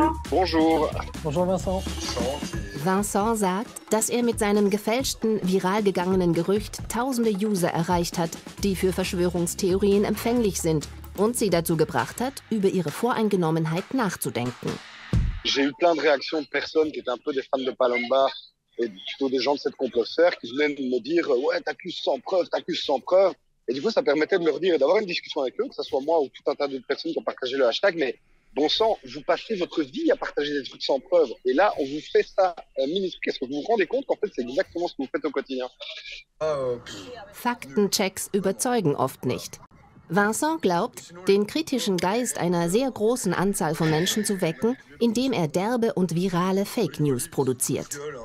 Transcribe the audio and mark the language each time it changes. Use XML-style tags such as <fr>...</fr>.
<fr>Bonjour. Bonjour Vincent.</fr> <de>Vincent sagt, dass er mit seinem gefälschten, viral gegangenen Gerücht tausende User erreicht hat, die für Verschwörungstheorien empfänglich sind und sie dazu gebracht hat, über ihre Voreingenommenheit nachzudenken.</de> <fr>J'ai eu plein de réactions de personnes qui étaient un peu des fans de Palomba et plutôt des gens de cette complotosphère qui venaient me dire ouais, t'accuses sans preuve. Et du coup, ça permettait de me redire et d'avoir une discussion avec eux, que ce soit moi ou tout un tas d'autres personnes qui ont partagé le hashtag, mais bon sang, vous passez votre vie à partager des trucs sans preuve. Et là, on vous fait ça minuscule. Est-ce que vous vous rendez compte qu'en fait, c'est exactement ce que vous faites au quotidien?</fr> <de>Faktenchecks überzeugen oft nicht. Vincent glaubt, den kritischen Geist einer sehr großen Anzahl von Menschen zu wecken, indem er derbe und virale Fake News produziert.</de>